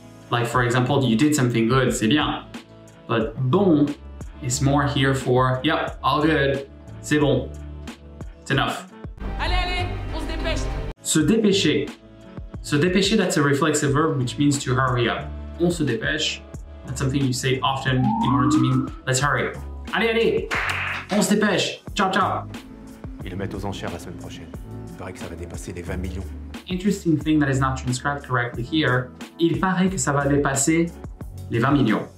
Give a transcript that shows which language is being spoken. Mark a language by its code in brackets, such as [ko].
[en] Like for example, you did something good, [fr] c'est bien. [en] But bon is more here for, yep, all good, [fr] c'est bon. [en] It's enough. [fr] Allez, allez, on se dépêche. Se dépêcher. Se dépêcher, [en] that's a reflexive verb which means to hurry up. [fr] On se dépêche. [en] That's something you say often in order to mean, let's hurry. [fr] Allez, allez, on se dépêche. Ciao, ciao. Ils le mettent aux enchères la semaine prochaine. Il paraît que ça va dépasser les 20 millions. [en] Interesting thing that is not transcribed correctly here. [fr] Il paraît que ça va dépasser les 20 millions.